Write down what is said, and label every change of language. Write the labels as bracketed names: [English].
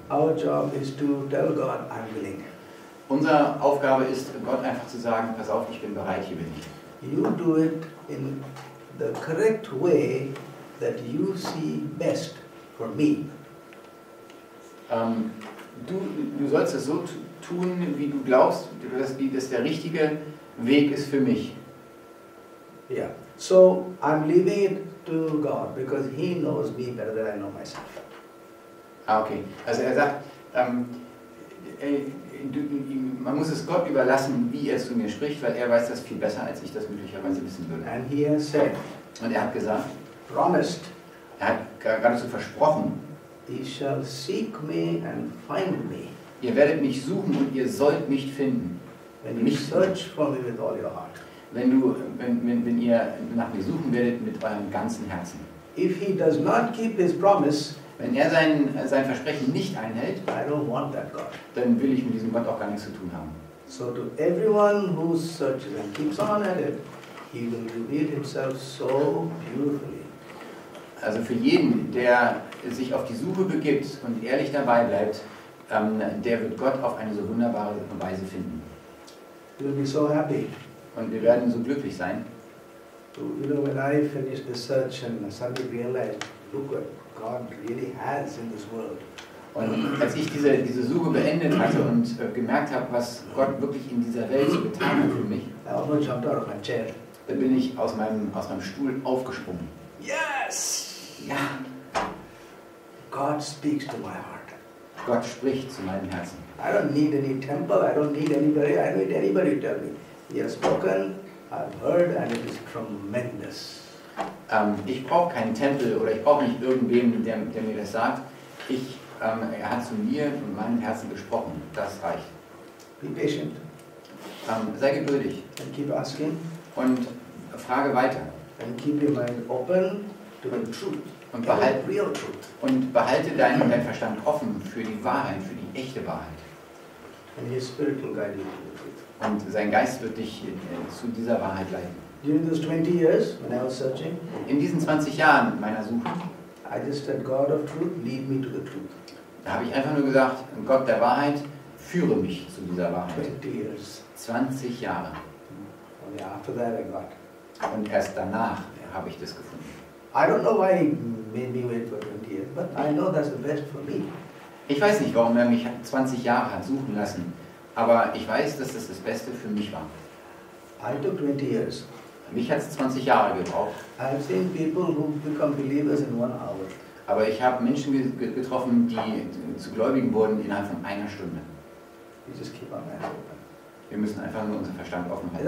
[English] Our job is to tell God, I'm willing. [German] Unsere Aufgabe ist, Gott einfach zu sagen, pass auf, ich bin bereit, hier bin ich. [English] You do it in the correct way that you see best for me. [German] Du sollst es so tun, wie du glaubst, wie das der richtige Weg ist für mich. [English] Yeah. So I'm leaving it to God because he knows me better than I know myself. Okay. [German] Also er sagt, man muss es Gott überlassen, wie er zu mir spricht, weil er weiß das viel besser, als ich das möglicherweise wissen würde. [English] And he has said, [German] und er hat gesagt, [English] promised, [German] er hat geradezu versprochen, [English] he shall seek me and find me. [German] Ihr werdet mich suchen und ihr sollt mich finden. [English] When you search for me with all your heart. [German] Wenn ihr nach mir suchen werdet mit eurem ganzen Herzen. [English] If he does not keep his promise, [German] wenn er sein Versprechen nicht einhält, [English] I don't want that God. [German] Dann will ich mit diesem Gott auch gar nichts zu tun haben. [English] So to everyone who searches and keeps on at it, he will reveal himself so beautifully. [German] Also für jeden, der sich auf die Suche begibt und ehrlich dabei bleibt, der wird Gott auf eine so wunderbare Weise finden. [English] We'll be so happy. [German] Und wir werden so glücklich sein. [English] So, you know, when I finished the search and suddenly realized, look what God really has in this world. [German] Und als ich diese Suche beendet hatte und gemerkt habe, was Gott wirklich in dieser Welt so getan hat für mich, [English] I also jumped out of my chair. [German] Dann bin ich aus meinem Stuhl aufgesprungen. [English] Yes! [German] Ja. [English] God speaks to my heart. [German] Gott spricht zu meinem Herzen. [English] I don't need any temple, I don't need anybody, I don't need anybody to tell me. He has spoken, I've heard, and it is tremendous. [German] Ich brauche keinen Tempel oder ich brauche nicht irgendwem, der mir das sagt. Er hat zu mir und meinem Herzen gesprochen. Das reicht. [English] Be patient. [German] Sei geduldig. [English] And keep asking. [German] Und frage weiter. [English] And keep your mind open to the truth. [German] Und behalte, [English] the real truth. [German] Und behalte deinen dein Verstand offen für die Wahrheit, für die echte Wahrheit. [English] And his spirit will guide you. [German] Und sein Geist wird dich zu dieser Wahrheit leiten. [English] During those 20 years, when I was searching, [German] in diesen 20 Jahren meiner Suche, [English] I just said, God of truth, lead me to the truth. [German] Da habe ich einfach nur gesagt, Gott der Wahrheit, führe mich zu dieser Wahrheit. [English] 20 years. [German] 20 Jahre. [English] And after that I got. [German] Und erst danach habe ich das gefunden. [English] I don't know why he made me wait for 20 years, but I know that's the best for me. [German] Ich weiß nicht, warum mich 20 Jahre hat suchen lassen, aber ich weiß, dass das Beste für mich war. [English] I took 20 years. [German] Mich hat es 20 Jahre gebraucht. [English] I have seen people who become believers in 1 hour. [German] Aber ich habe Menschen getroffen, die zu Gläubigen wurden innerhalb von einer Stunde. [English] We just keep our minds open. [German] Wir müssen einfach nur unseren Verstand offen halten.